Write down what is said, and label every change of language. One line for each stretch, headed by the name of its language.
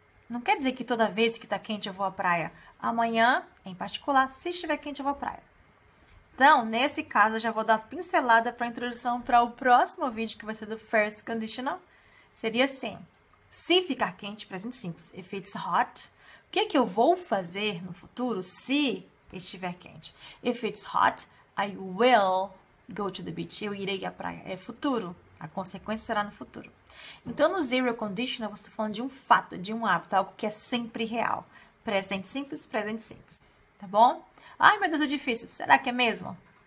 Portuguese: Não quer dizer que toda vez que tá quente, eu vou à praia. Amanhã, em particular, se estiver quente, eu vou à praia. Então, nesse caso, eu já vou dar uma pincelada para a introdução para o próximo vídeo, que vai ser do First Conditional. Seria assim: se ficar quente, presente simples,
English: if it's hot,
Portuguese: o que é que eu vou fazer no futuro se estiver quente?
English: If it's hot, I will go to the beach.
Portuguese: Eu irei à praia. É futuro. A consequência será no futuro. Então, no zero conditional, você está falando de um fato, de um hábito, algo que é sempre real. Presente simples, tá bom? Ai, meu Deus, é difícil. Será que é mesmo?